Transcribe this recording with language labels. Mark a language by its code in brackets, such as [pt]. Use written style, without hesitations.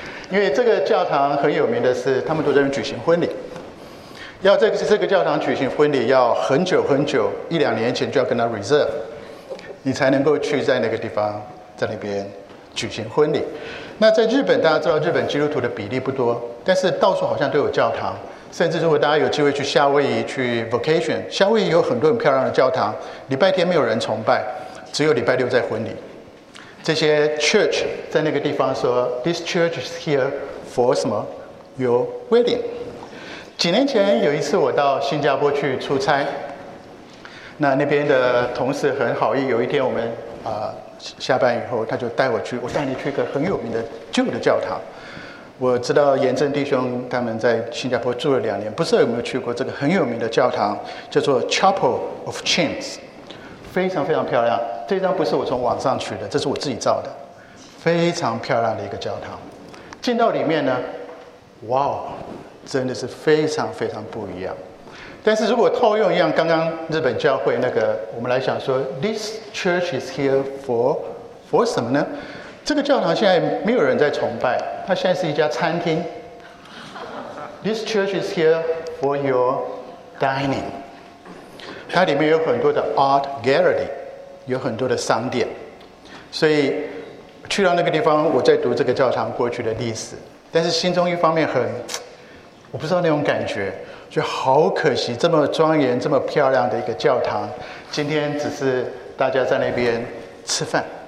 [zh] 因为这个教堂很有名的是他们都在那举行婚礼，要在这个教堂举行婚礼要很久很久，一两年前就要跟他 reserve，你才能够去在那个地方，在那边举行婚礼。那在日本，大家知道日本基督徒的比例不多，但是到处好像都有教堂。甚至如果大家有机会去夏威夷去 vacation， 夏威夷有很多很漂亮的教堂，礼拜天没有人崇拜，只有礼拜六在婚礼。这些 church 在那个地方说 ， [en] This church is here for [zh] 什么 ？ [en] Your wedding。 [zh] 几年前有一次我到新加坡去出差。那边的同事很好意，有一天我们下班以后，他就带我去，我带你去一个很有名的旧的教堂。我知道严正弟兄他们在新加坡住了2年，不知道有没有去过这个很有名的教堂，叫做 Chapel of Chains， 非常非常漂亮。这张不是我从网上取的，这是我自己照的，非常漂亮的一个教堂。进到里面呢，哇，真的是非常非常不一样。但是如果套用一样刚刚日本教会那个，我们来想说 [en] This church is here for [zh] 什么呢？这个教堂现在没有人在崇拜，它现在是一家餐厅。 [en] This church is here for your dining， [zh] 它里面有很多的 [en] art gallery， [zh] 有很多的商店。所以去到那个地方，我在读这个教堂过去的历史，但是心中一方面很，我不知道那种感觉，就好可惜，这么庄严这么漂亮的一个教堂，今天只是大家在那边吃饭。